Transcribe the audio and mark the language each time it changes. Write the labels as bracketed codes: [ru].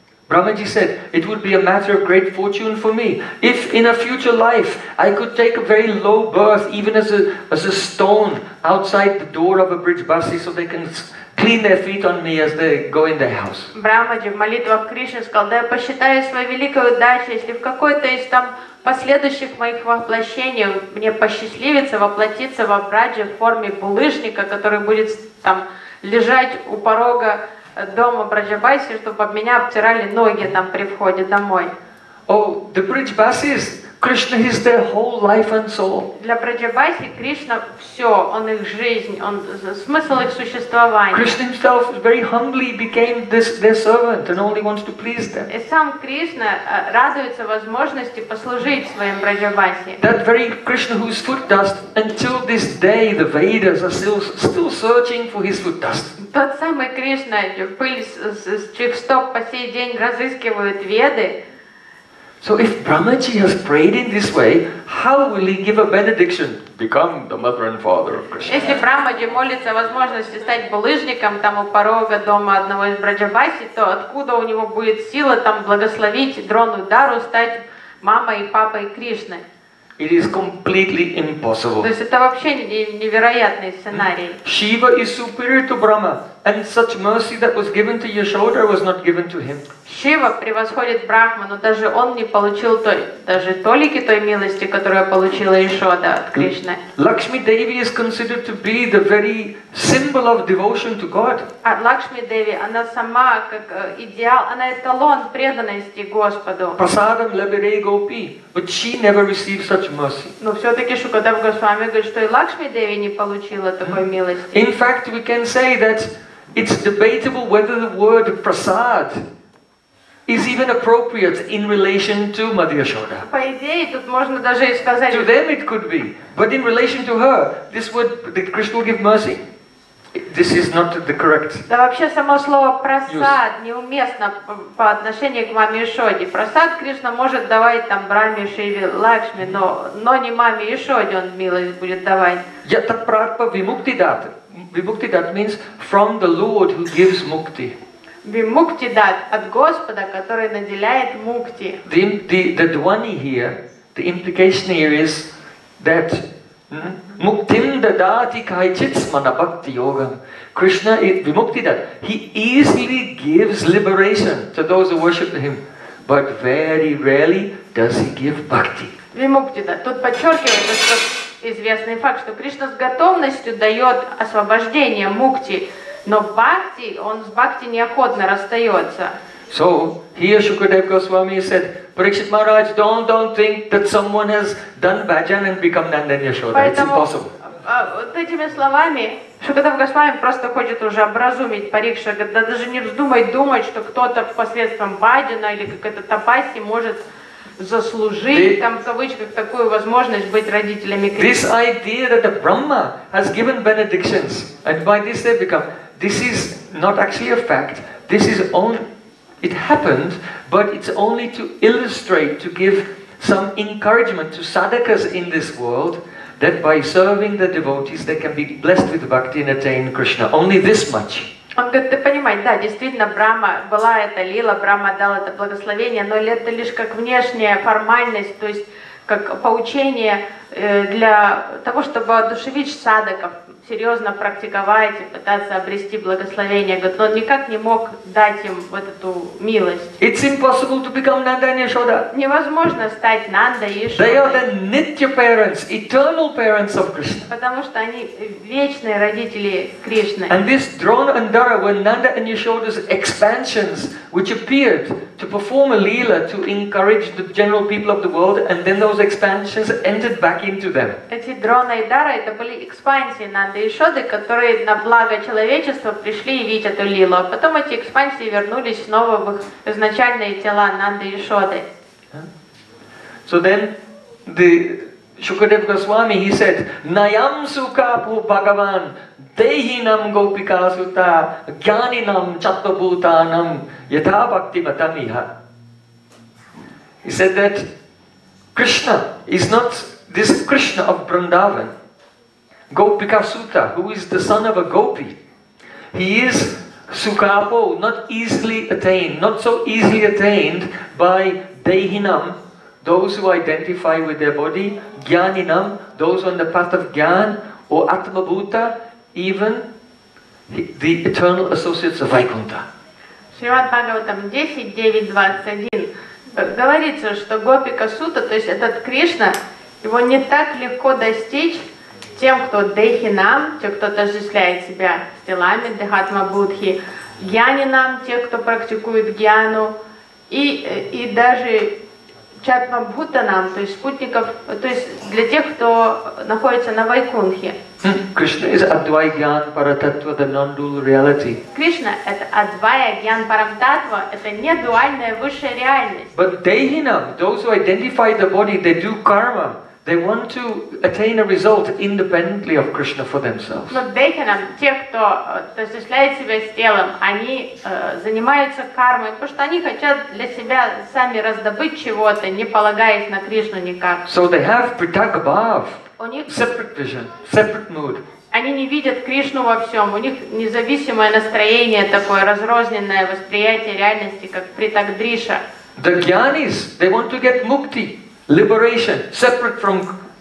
[en] Brahmaji said, it would be a matter of great fortune for me if in a future life I could take a very low birth even as a stone outside the door of a bridge basi so they can clean their feet on me as they go in their house. [ru] Брахмаджи в молитвах Кришне сказал, да я посчитаю свою великую удачу, если в какой-то из там последующих моих воплощений мне посчастливится воплотиться во Брахмаджи в форме булыжника, который будет там лежать у порога дома Браджабаси, чтобы меня обтирали ноги там при входе домой. [en] Oh, the Braj-basi is, Krishna is their whole life and soul. [ru] Для Браджабаси Кришна все, он их жизнь, он смысл их существования. [en] Krishna himself very humbly became this their servant and only wants to please them. [ru] И сам Кришна радуется возможности послужить своим Браджабаси. [en] That very Krishna whose foot dust until this day the Vedas are still searching for his foot dust. [ru] Тот самый Кришна, пыль с чьих стоп по сей день разыскивают Веды. [en] So if Brahmaji has prayed in this way, how will he give a benediction? Become the mother and father of Krishna. [ru] Если Брахмаджи молится о возможности стать булыжником там у порога дома одного из Браджабаси, то откуда у него будет сила там благословить Дрону Дару стать мамой и папой Кришны? [en] It is completely impossible. [ru] То есть это вообще невероятный сценарий. [en] Shiva is superior to Brahma. And such mercy that was given to Yashoda was not given to him. [ru] Шива превосходит Брахма, но даже он не получил той, даже толики той милости, которую получила Яшода от Кришны. [en] Lakshmi Devi is considered to be the very symbol of devotion to God. [ru] А Лакшми Деви, она сама как идеал, она эталон преданности Господу. [sa] Prasadam labire gopi, [en] but she never received such mercy. [ru] Но все-таки Шукадев Госвами говорит, что и Лакшми Деви не получила такой милости. [en] In fact, we can say that it's debatable whether the word prasad is even appropriate in relation to Mother Yashoda. [ru] По идее, тут можно даже и сказать. [en] To them it could be, but in relation to her, this word, did Krishna give mercy? This is not the correct. [ru] Да вообще само слово прасад неуместно по отношению к маме Яшоде. Прасад Кришна может давать там Брахме, Шиве, Лакшми, но не маме Яшоде он милость будет давать. [sa] Я так прапа вимукти дат. [en] Vimukti dat means from the Lord who gives mukti. [ru] Vimukti dat от Господа, который наделяет мукти. [en] The dhvani here, the implication here is that [sa] muktim dadati kaichit manabhakti yogam. [en] Krishna is vimukti dat. He easily gives liberation to those who worship him, but very rarely does he give bhakti. Vimukti dat. [ru] Тут подчеркивается, что известный факт, что Кришна с готовностью дает освобождение мукти, но бхакти, он с бхакти неохотно расстается. [en] So here Shukadev Goswami said, Parikshit Maharaj, don't think that someone has done bhajan and become Nandan Yashoda. It's impossible. [ru] Вот этими словами Шукадев Госвами просто хочет уже образумить Парикшу, да даже не вздумай думать, что кто-то посредством бхаджана или какой-то тапаси может заслужить там в кавычках такую возможность быть родителями Кришны. [en] This idea that the Brahma has given benedictions and by this they become, this is not actually a fact. This is only, it happened, but it's only to illustrate, to give some encouragement to sadhakas in this world that by serving the devotees they can be blessed with bhakti and attain Krishna. Only this much. [ru] Он говорит, ты понимаешь, да, действительно, Брахма была эта лила, Брахма дал это благословение, но это лишь как внешняя формальность, то есть как поучение для того, чтобы одушевить садаков, серьезно практиковать и пытаться обрести благословение. Говорит, но он никак не мог дать им вот эту милость. [en] It's impossible to become Nanda and Yashoda. [ru] Невозможно стать Нанда и Яшодой. [en] They are the nitya parents, eternal parents of Krishna. [ru] Потому что они вечные родители Кришны. [en] And this Drona and Dara were Nanda and Yashoda's expansions, which appeared to perform a lila to encourage the general people of the world, and then those expansions entered back into them. [ru] Эти Дрона и Дара это были экспансии Нанды и Яшоды, которые на благо человечества пришли и видят эту лилу, а потом эти экспансии вернулись снова в их изначальные тела Нанды и Яшоды. [en] So then the Shukadev Goswami he said, [sa] Nayam sukapu Bhagavan. Dehinam gopikasuta gyaninam chattabhutanam yatha bhakti matamiha. [en] He said that Krishna is not this Krishna of Vrindavan. Gopikasuta, who is the son of a gopi, he is sukapo, not easily attained, not so easily attained by dehinam, those who identify with their body, gyaninam, those on the path of gyan, or atmabhuta, even the eternal associates of Vaikuntha. [ru] Шримад Бхагаватам 10.9.21 говорится, что Гопика Сута, то есть этот Кришна, его не так легко достичь тем, кто Дехинам, те, кто отождествляет себя с телами Дехатма Будхи, Гьянинам, те, кто практикует Гьяну, и даже Чатма Бхутанам, то есть спутников, то есть для тех, кто находится на Вайкунхе. [en] Krishna is Advaya Gyan Paratattva, the non-dual reality. [ru] Krishna это Advaya Gyan Paratattva, это не дуальная высшая реальность. [en] But Dehinam, those who identify the body, they do karma. They want to attain a result independently of Krishna for themselves. [ru] Но Дехинам, те, кто осуществляет себя с телом, они занимаются кармой, потому что они хотят для себя сами раздобыть чего-то, не полагаясь на Кришну никак. [en] So they have Pritak Bhav. [ru] У них [en] separate vision, separate mood. [ru] Они не видят Кришну во всем. У них независимое настроение такое, разрозненное восприятие реальности, как Pritak Drisha. [en] The Gyanis, they want to get mukti, liberation, separate from